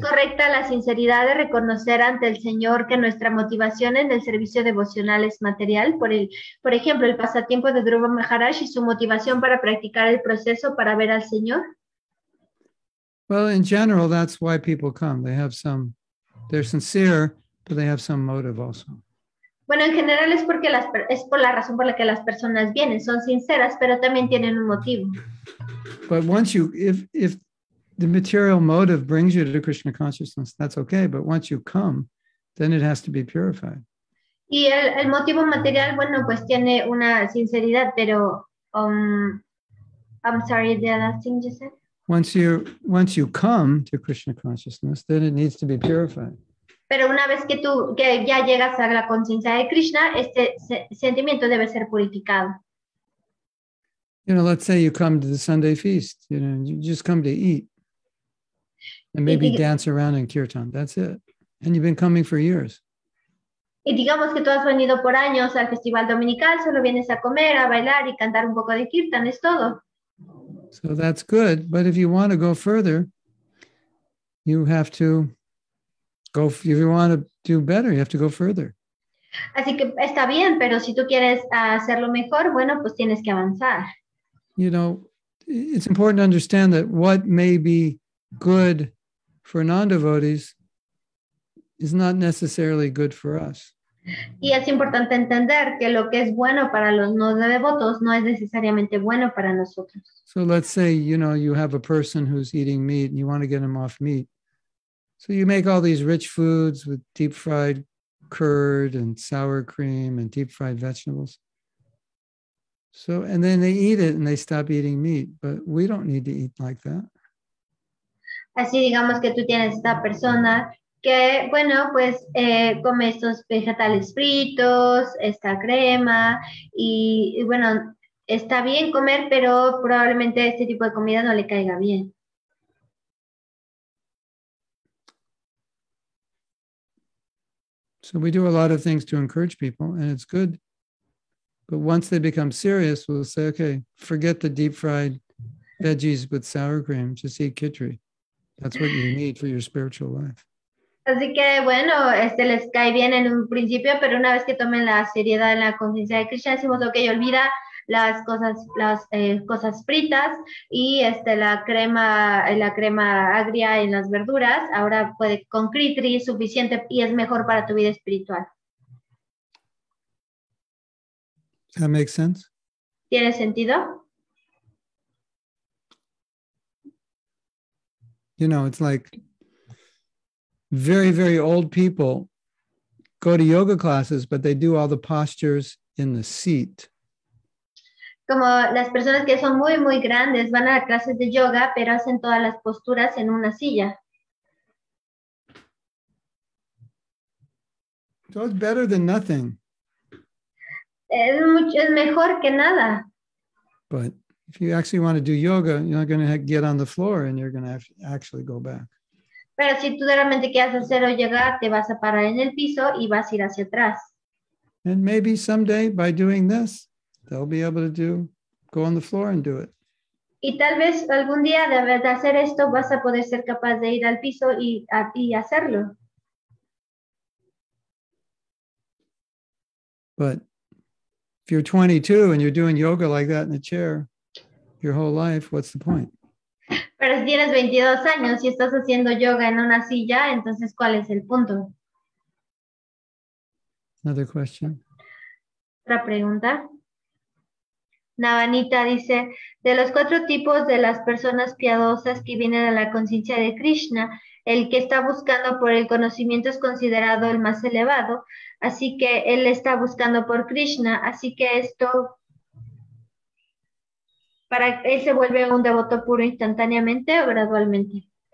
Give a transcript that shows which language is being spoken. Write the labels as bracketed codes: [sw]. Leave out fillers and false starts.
[es] correcta la sinceridad de reconocer ante el Señor que nuestra motivación en el servicio devocional es material? Por ejemplo, el pasatiempo de Dhruva Maharaj y su motivación para practicar el proceso para ver al Señor. [en] Well, in general, that's why people come. They have some, they're sincere, but they have some motive also. [es] Bueno, en general es porque es por la razón por la que las personas vienen. Son sinceras, pero también tienen un motivo. [en] But once you, if the material motive brings you to Krishna consciousness, that's okay. But once you come, then it has to be purified. [es] Y el motivo material, bueno, pues tiene una sinceridad, pero, [en] I'm sorry, the other thing you said? Once you come to Krishna consciousness, then it needs to be purified. [es] Pero una vez que tú que ya llegas a la conciencia de Krishna, este sentimiento debe ser purificado. [en] You know, let's say you come to the Sunday feast. You know, you just come to eat and maybe dance around in kirtan. That's it. And you've been coming for years. [es] Y digamos que tú has venido por años al festival dominical, solo vienes a comer, a bailar y cantar un poco de kirtan, es todo. [en] So that's good, but if you want to go further, you have to go. If you want to do better, you have to go further. [es] Así que está bien, pero si tú quieres hacerlo mejor, bueno, pues tienes que avanzar. [en] You know, it's important to understand that what may be good for non-devotees is not necessarily good for us. [es] Y es importante entender que lo que es bueno para los no devotos no es necesariamente bueno para nosotros. [en] So let's say, you know, you have a person who's eating meat and you want to get him off meat. So you make all these rich foods with deep fried curd and sour cream and deep fried vegetables. So, and then they eat it and they stop eating meat, but we don't need to eat like that. [es] Así digamos que tú tienes esta persona que, bueno, pues come estos vegetales fritos, esta crema, y bueno, está bien comer, pero probablemente este tipo de comida no le caiga bien. [en] So we do a lot of things to encourage people, and it's good. But once they become serious, we'll say, okay, forget the deep-fried veggies with sour cream, just eat khichdi. That's what you need for your spiritual life. [es] Así que, bueno, este les cae bien en un principio, pero una vez que tomen la seriedad en la conciencia de Krishna, decimos, ok, olvida las cosas fritas y la crema agria en las verduras. Ahora puede con khichdi es suficiente y es mejor para tu vida espiritual. [en] Does that make sense? [es] ¿Tiene sentido? [en] You know, it's like very, very old people go to yoga classes, but they do all the postures in the seat. [es] Como las personas que son muy, muy grandes van a clases de yoga, pero hacen todas las posturas en una silla. [en] So it's better than nothing. [es] Es mejor que nada. [en] But if you actually want to do yoga, you're not going to get on the floor and you're going to have to actually go back. [es] Pero si tú realmente quieres hacer o llegar, te vas a parar en el piso y vas a ir hacia atrás. [en] And maybe someday by doing this, they'll be able to go on the floor and do it. [es] Y tal vez algún día de hacer esto vas a poder ser capaz de ir al piso y hacerlo. [en] But if you're 22 and you're doing yoga like that in a chair your whole life, what's the point? [es] Pero si tienes 22 años y estás haciendo yoga en una silla, entonces ¿cuál es el punto? [en] Another question. [es] Otra pregunta. Navanita dice, de los cuatro tipos de las personas piadosas que vienen a la conciencia de Krishna, el que está buscando por el conocimiento es considerado el más elevado, así que él está buscando por Krishna, así que esto, para él se vuelve un devoto puro instantáneamente o gradualmente.